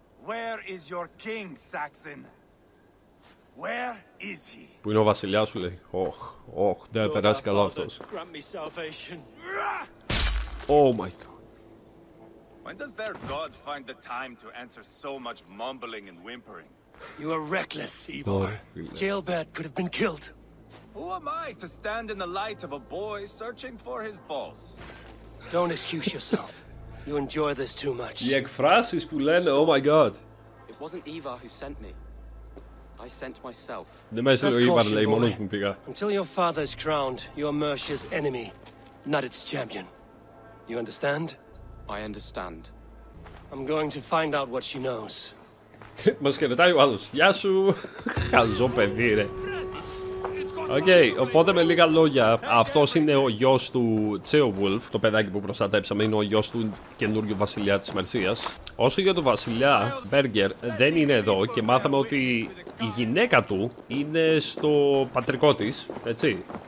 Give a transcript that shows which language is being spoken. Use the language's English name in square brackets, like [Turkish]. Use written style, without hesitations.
[English] Where is your king, Saxon? Where is he? [Greek] Πού είναι ο βασιλιάς σου, λέει. Οχ, οχ, δεν περάσει καλά αυτός. [English] Grant me salvation. Oh my God. When does their god find the time to answer so much mumbling and whimpering? You are reckless, Ivar. Jailbird could have been killed. Who am I to stand in the light of a boy searching for his boss? Don't excuse yourself. You enjoy this too much. [Greek] Οι εκφράσεις που λένε, [English] oh my God. It wasn't Ivar who sent me. I sent myself. [Greek] Δεν μέσα λέει ο Ivar, λέει μόνος μου πήγα. [English] Until your father is crowned, you are Mercia's enemy, not its champion. You understand? I understand. I'm going to find out what she knows. [Greek] Μας χαιρετάει ο άλλος. Γεια σου! Χαζό παιδί, ρε. Okay, οπότε με λίγα λόγια, αυτός είναι ο γιος του Τσέοβουλφ. Το παιδάκι που προστατέψαμε είναι ο γιος του καινούριου βασιλιά της Μερσίας. Όσο για τον βασιλιά, Μπέργκερ δεν είναι εδώ και μάθαμε ότι η γυναίκα του είναι στο πατρικό της, έτσι.